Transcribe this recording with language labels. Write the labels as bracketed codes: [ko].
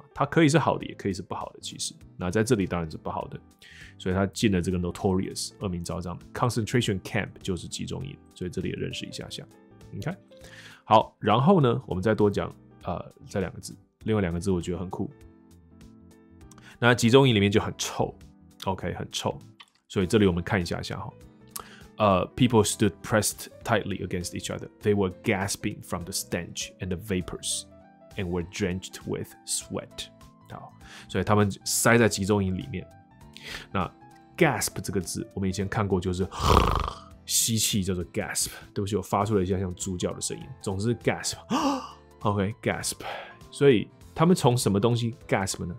[zh] 它可以是好的，也可以是不好的。其实，那在这里当然是不好的，所以他进了这个 notorious 恶名昭彰 concentration camp 就是集中营，所以这里也认识一下下。 OK， 好，然后呢，我们再多讲这两个字，另外两个字我觉得很酷。那集中营里面就很臭 ，OK， 很臭，所以这里我们看一下下哈。 [en] People stood pressed tightly against each other. They were gasping from the stench and the vapors. And were drenched with sweat. [zh] 好，所以他们塞在集中营里面。那 gasp 这个字，我们以前看过，就是吸气叫做 gasp， 对不起，我发出了一下像猪叫的声音。总之 gasp， OK gasp， 所以他们从什么东西 gasp 呢？